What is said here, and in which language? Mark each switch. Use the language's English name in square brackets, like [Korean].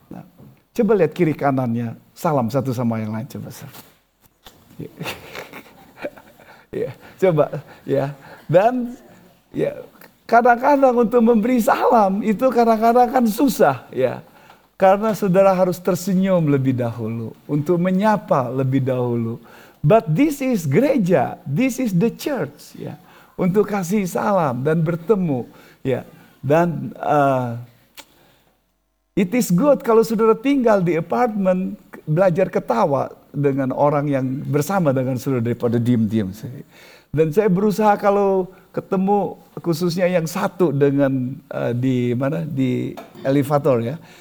[Indonesian] Nah, coba lihat kiri kanannya, salam satu sama yang lain, coba. [English] Yeah. Yeah. [Indonesian] Coba, ya. [English] Yeah. [Indonesian] Dan yeah, kadang-kadang untuk memberi salam itu kadang-kadang kan susah, ya. [English] Yeah. [Indonesian] Karena saudara harus tersenyum lebih dahulu, untuk menyapa lebih dahulu. [English] But this is [Indonesian] gereja, [English] this is the church, ya. [Indonesian] Untuk kasih salam dan bertemu, ya. Dan [English] it is good [Indonesian] kalau saudara tinggal di apartment, belajar ketawa dengan orang yang bersama dengan saudara daripada diem-diem. Dan saya berusaha kalau ketemu khususnya yang satu dengan di mana di elevator ya.